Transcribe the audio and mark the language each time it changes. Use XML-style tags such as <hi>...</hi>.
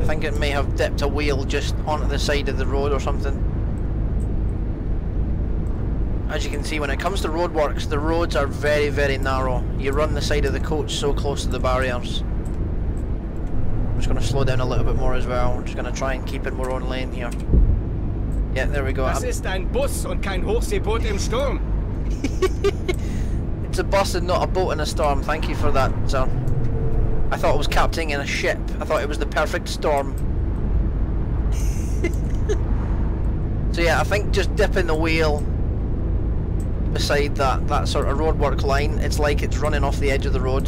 <en>I think it may have dipped a wheel just onto the side of the road or something. As you can see, when it comes to roadworks, the roads are very, very narrow. You run the side of the coach so close to the barriers. I'm just going to slow down a little bit more as well. I'm just going to try and keep it more on lane here. Yeah, there we go.</en> <de>Das ist ein Bus und kein Hochseeboot im Sturm.</de> <en>It's a bus and not a boat in a storm. Thank you for that, sir. I thought it was captaining a ship. I thought it was the perfect storm. So yeah, I think just dipping the wheel beside that sort of roadwork line, it's like it's running off the edge of the road.</en>